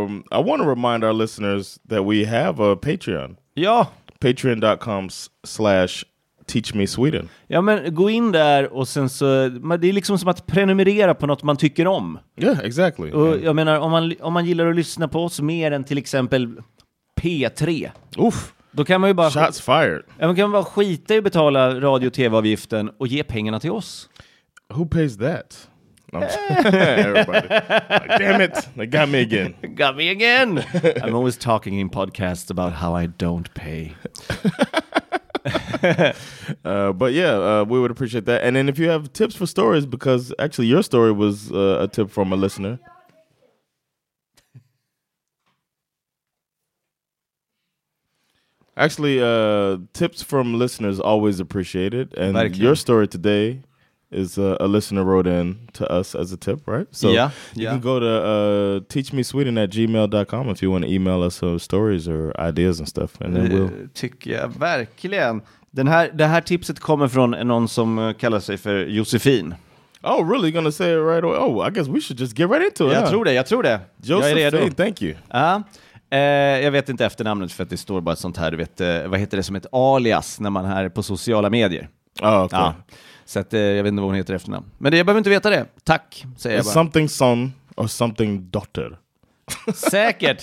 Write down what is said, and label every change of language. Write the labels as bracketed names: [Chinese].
[English] I want to remind our listeners that we have a Patreon. [Swedish] Ja. [English] Patreon.com/teachmesweden. [Swedish] Ja, men gå in där och sen så... Det är liksom som att prenumerera på något man tycker om. [English] Yeah, exactly. [Swedish] Och jag menar, om man gillar att lyssna på oss mer än till exempel P3. Uff. Då kan man ju bara... [English] Shots fired. [Swedish] Ja, man kan bara skita i betala radio- och tv-avgiften och ge pengarna till oss. [English] Who pays that? Everybody. Damn it, they got me again. Got me again. I'm always talking in podcasts about how I don't pay. But yeah, we would appreciate that. And then if you have tips for stories, because actually your story was a tip from a listener. Actually, tips from listeners always appreciated. And your story today is a listener wrote in to us as a tip, right? So yeah, you can go to teachmesweden@gmail.com if you want to email us some stories or ideas and stuff. And then we'll... [Swedish] Tycker jag verkligen. Det här tipset kommer från någon som kallar sig för Josefin. [English] Oh, really? You're going to say it right away? Oh, I guess we should just get right into it. [Swedish] Jag tror det. [English] Josefin, thank you. [Swedish] Jag vet inte efternamnet för att det står bara ett sånt här. Du vet, vad heter det som ett alias när man är på sociala medier? [English] Oh, okay. [Swedish] Så att, jag vet inte vad hon heter efternamn. Men det, jag behöver inte veta det. Tack, säger jag bara. [English] Something son or something daughter. [Swedish] Säkert.